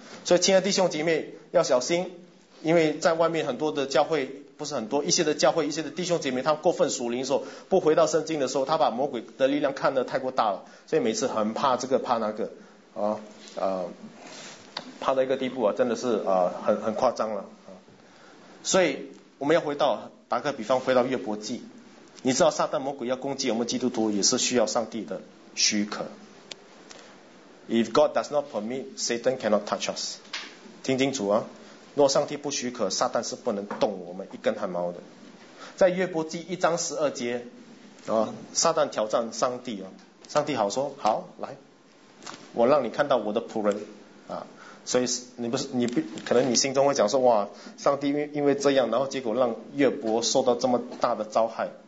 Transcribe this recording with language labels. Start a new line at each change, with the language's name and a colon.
Chinese: 所以亲爱的弟兄姐妹要小心，因为在外面很多的教会，不是很多，一些的教会，一些的弟兄姐妹，他过分属灵的时候，不回到圣经的时候，他把魔鬼的力量看得太过大了，所以每次很怕这个怕那个啊，怕到一个地步啊，真的是很夸张了啊。所以我们要回到，打个比方，回到约伯记，你知道撒旦魔鬼要攻击我们基督徒，也是需要上帝的许可。
English: If God does not permit, Satan cannot touch us.
Chinese: 听清楚啊，若上帝不许可，撒旦是不能动我们一根汗毛的。在约伯记一章十二节啊，撒旦挑战上帝啊，上帝好说，好来，我让你看到我的仆人啊。所以你不是可能你心中会讲说，哇，上帝因为这样，然后结果让约伯受到这么大的遭害。